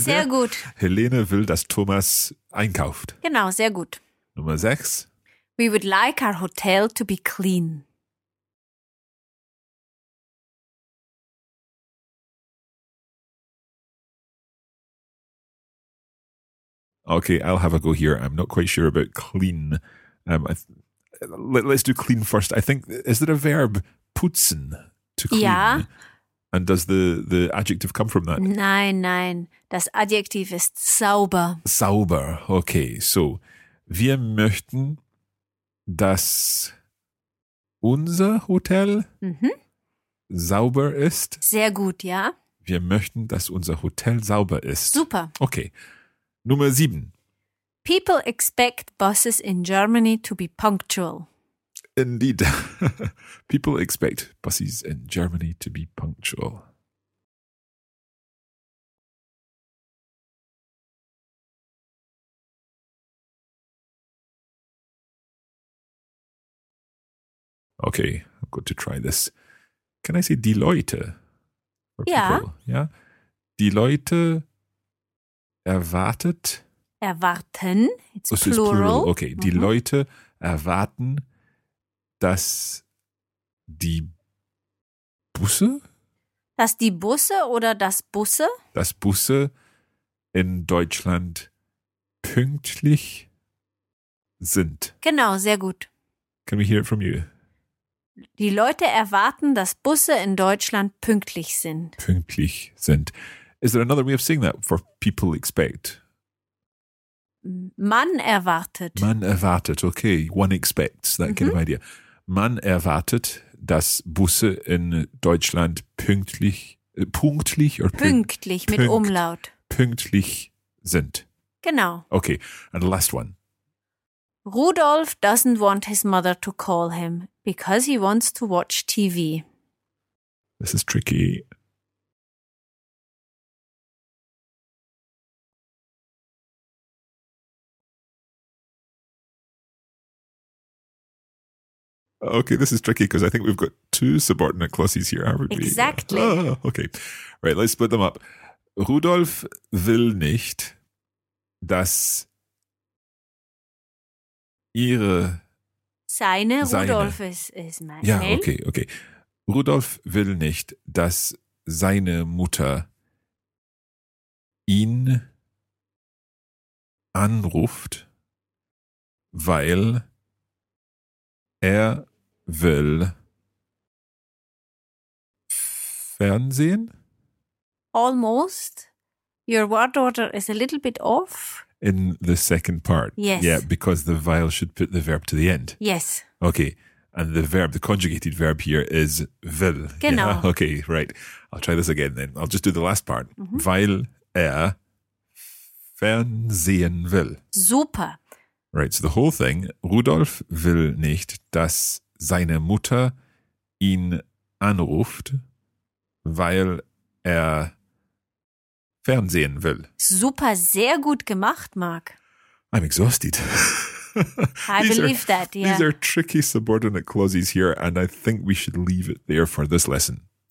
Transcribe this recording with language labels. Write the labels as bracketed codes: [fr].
[de] Sehr [en] there. [de] Gut. Helene will, dass Thomas einkauft. Genau, sehr gut. Nummer 6. [en] We would like our hotel to be clean. Okay, I'll have a go here. I'm not quite sure about clean. Let's do clean first. I think, is there a verb, putzen, to clean? Yeah. And does the adjective come from that? [de] Nein. Das Adjektiv ist sauber. Sauber. Okay, so wir möchten, dass unser Hotel sauber ist. Sehr gut, ja. Wir möchten, dass unser Hotel sauber ist. Super. Okay. Nummer 7. [en] People expect buses in Germany to be punctual. Indeed. People expect buses in Germany to be punctual. Okay, I've got to try this. Can I say die Leute? Yeah. [de] Yeah. Die Leute erwartet. [en] Erwarten. It's plural. Okay. [de] Mm-hmm. Die Leute erwarten, dass die Busse? Dass die Busse oder das Busse? Dass Busse in Deutschland pünktlich sind. Genau, sehr gut. [en] Can we hear it from you? [de] Die Leute erwarten, dass Busse in Deutschland pünktlich sind. Pünktlich sind. [en] Is there another way of saying that for people expect? [de] Man erwartet. Man erwartet, okay. [en] One expects, that kind of idea. [de] Man erwartet, dass Busse in Deutschland pünktlich mit Umlaut. Pünktlich sind. Genau. [en] Okay, and the last one. Rudolf doesn't want his mother to call him because he wants to watch TV. This is tricky. Okay, this is tricky because I think we've got two subordinate clauses here, haven't we? Exactly. Oh, okay. Right, let's split them up. [de] Rudolf will nicht, dass ihre... Seine. Rudolf ist mein... Ja, okay. Rudolf will nicht, dass seine Mutter ihn anruft, weil er will Fernsehen? [en] Almost. Your word order is a little bit off. In the second part. Yes. Yeah, because the vowel should put the verb to the end. Yes. Okay. And the verb, the conjugated verb here is will. [de] Genau. [en] Yeah? Okay, right. I'll try this again then. I'll just do the last part. [de] Mm-hmm. Weil er Fernsehen will. Super. [en] Right, so the whole thing. [de] Rudolf will nicht, dass seine Mutter ihn anruft, weil er Fernsehen will. Super, sehr gut gemacht, Mark. [en] I'm exhausted. I believe that, yeah. These are tricky subordinate clauses here, and I think we should leave it there for this lesson.